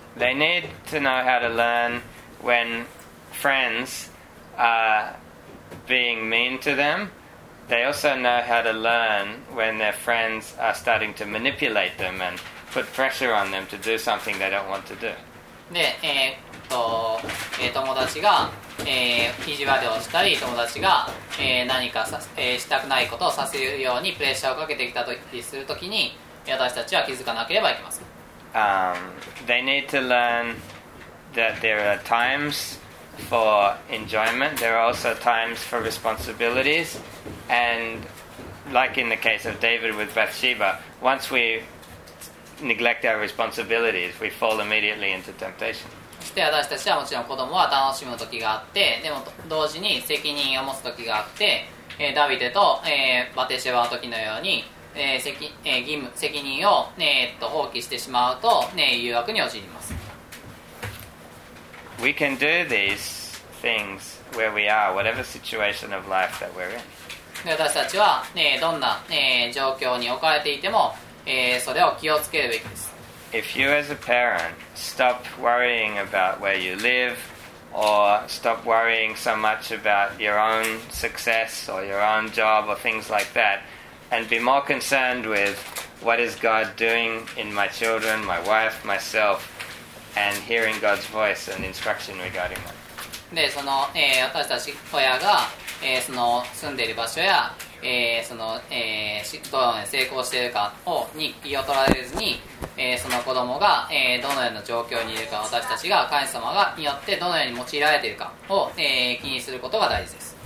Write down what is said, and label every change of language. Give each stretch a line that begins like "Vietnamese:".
English: They need to know how to learn when friends are being mean to them. They also know how to learn when their friends are starting to manipulate them and put pressure on them to do something they don't want to do.
Japanese: で、友達が、意地悪をしたり友達が、何かさ、したくないことをさせるようにプレッシャーをかけてきたりするときに私たちは気づかなければいけません。
English: They need to learn that there are times for enjoyment, there are also times for responsibilities, and like in the case of David with Bathsheba, once we neglect our responsibilities, we fall immediately into temptation.
Japanese: そして私たちはもちろん子供は楽しむ時があって、でも同時に責任を持つ時があって、ダビデと、バテシェバの時のように、責任を、放棄してしまうと、誘惑に陥ります。
English: We can do these things where we are, whatever situation of life that we're in.
Japanese: 私たちは、どんな、状況に置かれていても、それを気をつけるべきです。
English: If you as a parent stop worrying about where you live, or stop worrying so much about your own success, or your own job, or things like that, and be more concerned with what is God doing in my children, my wife, myself,and hearing God's voice and instruction regarding that.
Japanese: で、その、私たち親が、その住んでいる場所や、その、どのように成功しているかをに気を取られずに、その子供が、どのような状況にいるか、私たちが神様がによってどのように用いられているかを、気にすることが大事です。